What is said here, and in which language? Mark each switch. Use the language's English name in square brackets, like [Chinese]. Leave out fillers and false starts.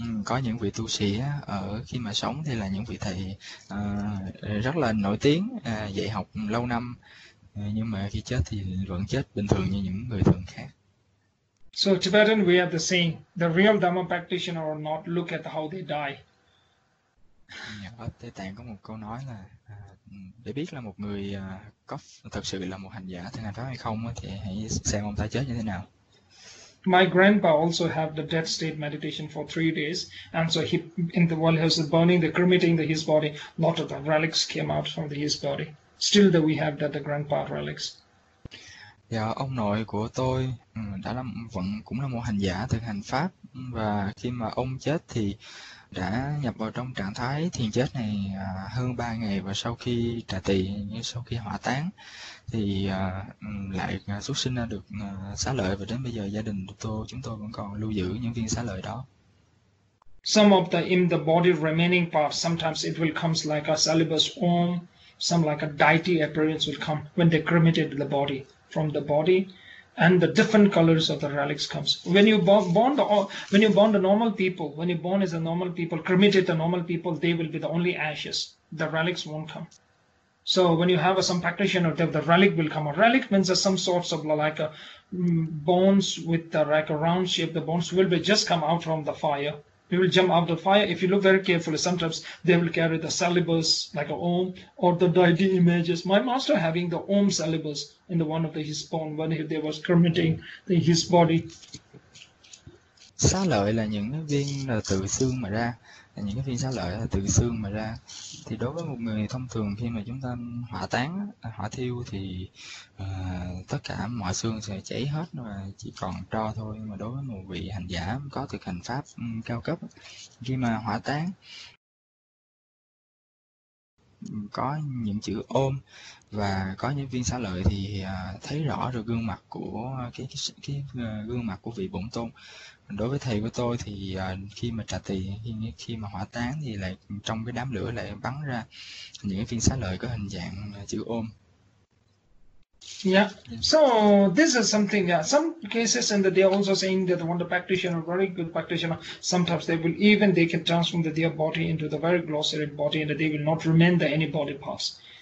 [Vietnamese] Có những vị tu sĩ ở khi mà sống thì là những vị thầy rất là nổi tiếng, dạy học lâu năm, nhưng mà khi chết thì vẫn chết bình thường như những người thường khác. [English] So Tibetan, we have the saying, the real Dhamma practitioner or not, look at how they die. [Vietnamese] Ở Tây Tạng có một câu nói là để biết là một người có thật sự là một hành giả thực hành pháp hay không thì hãy xem ông ta chết như thế nào. [English] My grandpa also had the death state meditation for 3 days, and so he, in the while he was burning, the cremating the his body, lot of the relics came out from the, his body. Still, that we have that the grandpa relics. [Vietnamese] Dạ, ông nội của tôi đã là vẫn cũng là một hành giả thực hành pháp, và khi mà ông chết thì đã nhập vào trong trạng thái thiền chết này hơn 3 ngày, và sau khi trả tỳ, sau khi hỏa táng thì lại xuất sinh ra được xá lợi, và đến bây giờ gia đình của tôi chúng tôi vẫn còn lưu giữ những viên xá lợi đó. [English] Some of the in the body remaining parts, sometimes it will comes like a celibus om, some like a deity appearance will come when they cremated the body. From the body, and the different colors of the relics comes. When you born the, when you born the normal people, when you born as a normal people, cremated the normal people, they will be the only ashes. The relics won't come. So when you have some practitioner, the relic will come. A relic means some sorts of like a bones with the like a round shape. The bones will be just come out from the fire. They will jump out of the fire. If you look very carefully, sometimes they will carry the celibus, like a om, or the deity images. My master having the om celibus in the one of the, his bone when he, they was cremating the, his body. [Vietnamese] Xá lợi là những viên là từ xương mà ra, là những cái viên xá lợi là từ xương mà ra. Thì đối với một người thông thường khi mà chúng ta hỏa táng, hỏa thiêu thì tất cả mọi xương sẽ cháy hết và chỉ còn tro thôi. Nhưng mà đối với một vị hành giả có thực hành pháp cao cấp, khi mà hỏa táng có những chữ ôm và có những viên xá lợi thì thấy rõ được gương mặt của cái gương mặt của vị bổn tôn. Đối với thầy của tôi thì khi mà trả tỳ, khi mà hỏa táng thì lại trong cái đám lửa lại bắn ra những viên xá lợi có hình dạng chữ ôm. [English] Yeah, so this is something. Yeah, some cases and they are also saying that one the practitioner, very good practitioner, sometimes they will even they can transform the, their body into the very glossy body and they will not remain the any body parts.